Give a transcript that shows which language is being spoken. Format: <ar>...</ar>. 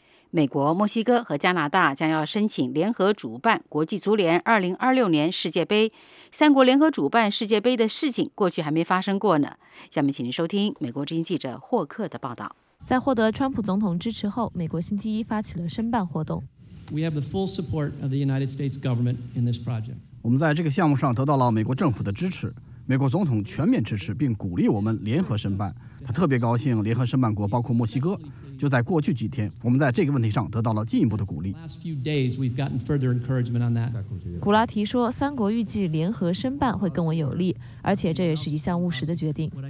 <zh>美国、墨西哥和加拿大将要申请联合主办国际足联2026年世界杯。三国联合主办世界杯的事情过去还没发生过呢。下面请您收听美国之音记者霍克的报道。在获得川普总统支持后，美国星期一发起了申办活动。</zh> <en>We have the full support of the United States government in this project.</en> <zh>我们在这个项目上得到了美国政府的支持，美国总统全面支持并鼓励我们联合申办。他特别高兴联合申办国包括墨西哥。就在过去几天，我们在这个问题上得到了进一步的鼓励。古拉提说，三国预计联合申办会更为有利，而且这也是一项务实的决定。</zh>